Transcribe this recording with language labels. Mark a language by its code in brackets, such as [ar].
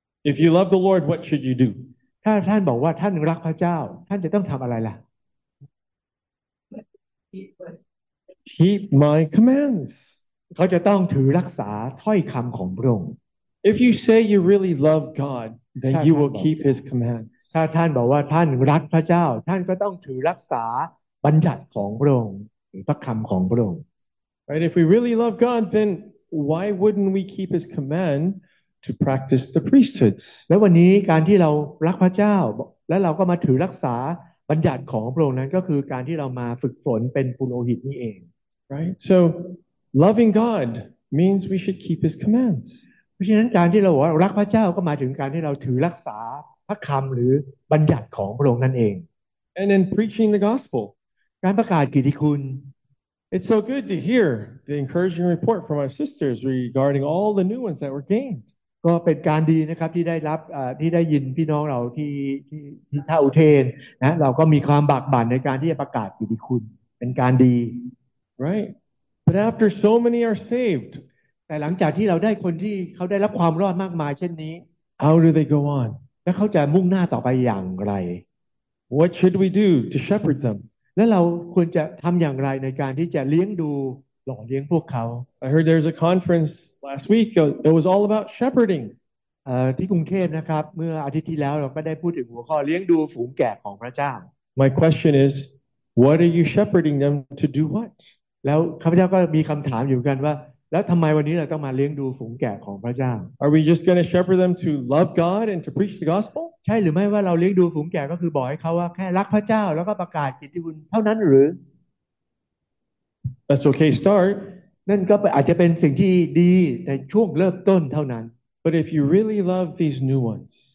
[en] If you love the Lord what should you do [th] ถ้าท่านบอกว่าท่านรักพระเจ้าท่านจะต้องทำอะไรล่ะ [en] Keep my commands. [th] เขาจะต้องถือรักษาถ้อยคำของพระองค์ [en] If you say you really love God, then you will keep His commands. [th] ถ้าท่านบอกว่าท่านรักพระเจ้าท่านก็ต้องถือรักษาบัญญัติของพระองค์หรือพระคำของพระองค์ [en] Right? If we really love God, then why wouldn't we keep His command to practice the priesthoods? [th] แล้ววันนี้การที่เรารักพระเจ้าแล้วเราก็มาถือรักษาบัญญัติของพระองค์นั้นก็คือการที่เรามาฝึกฝนเป็นปุโรหิตนี่เอง [en] Right. So, loving God means we should keep His commands. [th] เพราะฉะนั้นการที่เรารักพระเจ้าก็หมายถึงการที่เราถือรักษาพระคำหรือบัญญัติของพระองค์นั่นเอง [en] And in preaching the gospel, [th] การประกาศกิตติคุณ [en] It's so good to hear the encouraging report from our sisters regarding all the new ones that were gained. [th] ก็เป็นการดีนะครับที่ได้รับที่ได้ยินพี่น้องเราที่ท่าอุเทนนะเราก็มีความบากบั่นในการที่จะประกาศกิตติคุณเป็นการดี [en] Right. But after so many are saved, [th] แต่หลังจากที่เราได้คนที่เขาได้รับความรอดมากมายเช่นนี้ [en] How do they go on? [th] แล้วเขาจะมุ่งหน้าต่อไปอย่างไร [en] What should we do to shepherd them? [th] แล้วเราควรจะทำอย่างไรในการที่จะเลี้ยงดูหล่อเลี้ยงพวกเขา [en] I heard there's a conference last week it was all about shepherding [th] ที่กรุงเทพนะครับเมื่ออาทิตย์ที่แล้วเราก็ได้พูดถึงหัวข้อเลี้ยงดูฝูงแกะของพระเจ้า [en] My question is what are you shepherding them to do what [th] แล้วข้าพเจ้าก็มีคำถามอยู่กันว่าแล้วทำไมวันนี้เราต้องมาเลี้ยงดูฝูงแกะของพระเจ้า [en] Are we just going to shepherd them to love God and to preach the gospel [th] ใช่หรือไม่ว่าเราเลี้ยงดูฝูงแกะก็คือบอกให้เขาว่าแค่รักพระเจ้าแล้วก็ประกาศกิตติคุณเท่านั้นหรือ [en] That's okay start [th] นั่นก็อาจจะเป็นสิ่งที่ดีในช่วงเริ่มต้นเท่านั้น [en] But if you really love these new ones